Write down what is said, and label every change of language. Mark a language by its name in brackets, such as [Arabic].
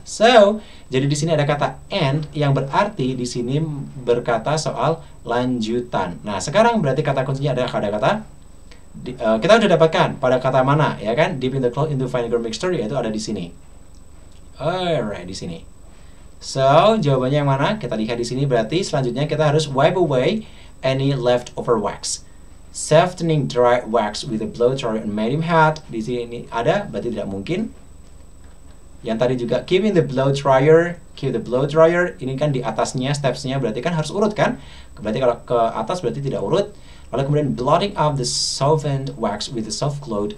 [Indonesian] So, jadi di sini ada kata end yang berarti di sini berkata soal lanjutan. Nah, sekarang berarti kata kuncinya ada kata-kata kita sudah dapatkan pada kata mana ya kan? [English] Dip in the cloth into vinegar mixture [Indonesian] yaitu ada di sini. [English] Alright, [Indonesian] di sini. So, jawabannya yang mana? Kita lihat di sini berarti selanjutnya kita harus [English] wipe away any leftover wax. Softening dry wax with a blow dryer on medium heat. [Indonesian] Di sini ini ada, berarti tidak mungkin. Yang tadi juga, [English] keep the blow dryer. [Indonesian] Ini kan di atasnya, stepsnya berarti kan harus urut kan? Berarti kalau ke atas berarti tidak urut. Lalu kemudian [English] blotting out the softened wax with a soft cloth.